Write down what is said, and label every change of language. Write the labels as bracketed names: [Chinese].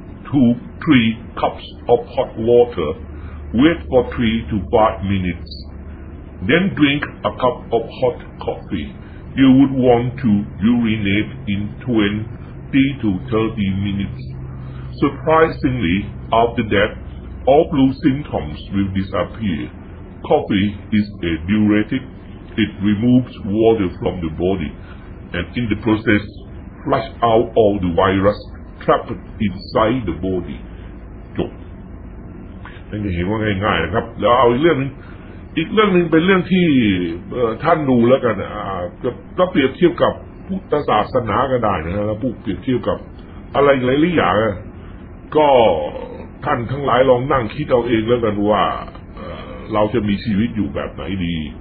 [English] 2-3 cups of hot water wait for 3-5 minutes then drink a cup of hot coffee you would want to urinate in 20-30 minutesSurprisingly, after that, all flu symptoms will disappear. Coffee is a diuretic. It removes water from the body and in the process, flush out all the virus trapped inside the body. [Thai] จบนั่นก็เห็นว่าง่ายๆนะครับแล้วเอาอีกเรื่องนึงเป็นเรื่องที่ท่านดูแล้วกันก็เปรียบเทียบกับพุทธศาสนาก็ได้นะครับเปรียบเทียบกับอะไรหลายๆอย่างก็ท่านทั้งหลายลองนั่งคิดเอาเองแล้วกันว่าเราจะมีชีวิตอยู่แบบไหนดี